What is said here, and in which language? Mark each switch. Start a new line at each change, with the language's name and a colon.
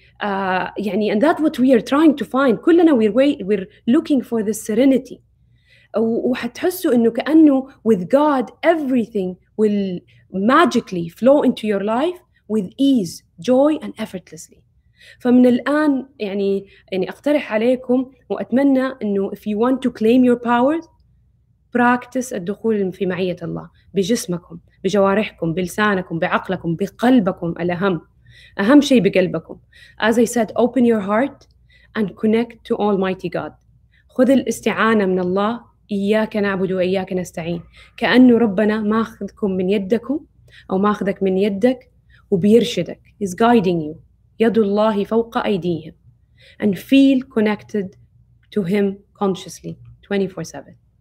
English: And that's what we are trying to find.
Arabic: كلنا
English: we're looking for the serenity.
Arabic: وحتحسوا إنه كأنه
English: with God everything will magically flow into your life with ease, joy, and effortlessly.
Arabic: فمن الآن يعني أقترح عليكم وأتمنى إنه
English: if you want to claim your powers, practice
Arabic: الدخول في معية الله بجسمكم، بجوارحكم، بلسانكم، بعقلكم، بقلبكم الأهم. أهم شيء بقلبكم.
English: As I said, open your heart and connect to Almighty God.
Arabic: خذ الاستعانة من الله، إياك نعبد وإياك نستعين. كأنه ربنا ماخذكم من يدكم، أو ماخذك من يدك وبيرشدك.
English: He's guiding you.
Arabic: يد الله فوق أيديهم.
English: And feel connected to Him consciously 24/7.